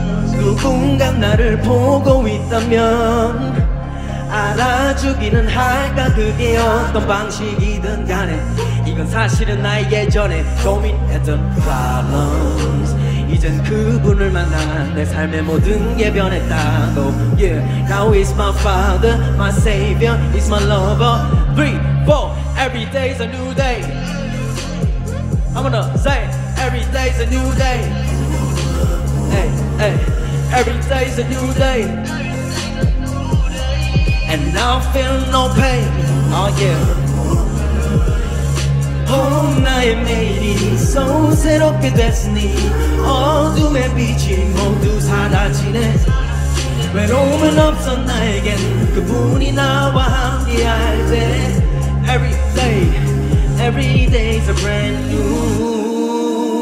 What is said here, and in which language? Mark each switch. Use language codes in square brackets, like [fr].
[ko] 누군가 나를 보고 있다면 알아주기는 할까. 그게 어떤 방식이든 간에 이건 사실은 나의 예전에 고민했던 [en] problems. [ko] 이젠 그분을 만나 내 삶의 모든 게 변했다고. [en] Yeah. Now he's my father, my savior, he's my lover. 3, 4. Every day's a new day. I'm gonna say every day's a new day. Hey, every day's a new day. And now I feel no pain. Oh yeah. [ko] Oh, 나의 매일이 소새롭게 됐으니 어둠의 빛이 모두 사라지네. 외로움은 없어 나에겐 그분이 나와 함께 할 때. [en] Every day, every day's a brand new.